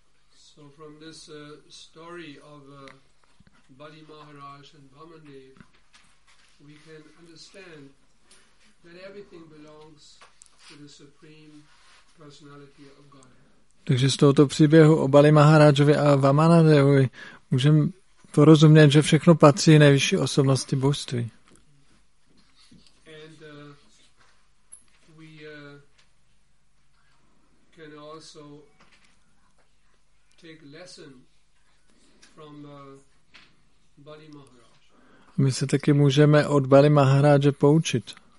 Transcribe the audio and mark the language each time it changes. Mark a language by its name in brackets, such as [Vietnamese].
[English] So from this story of Bali Maharaj and Vamandev, we can understand that everything belongs to the Supreme Personality of God. [Czech] Takže z tohoto příběhu o Bali Maharajovi a Vamanadevovi můžeme porozumět, že všechno patří nejvyšší osobnosti božství. [English] And we can also take lesson from Bali Maharaj. [Czech] My se taky můžeme od Bali Maharaje poučit.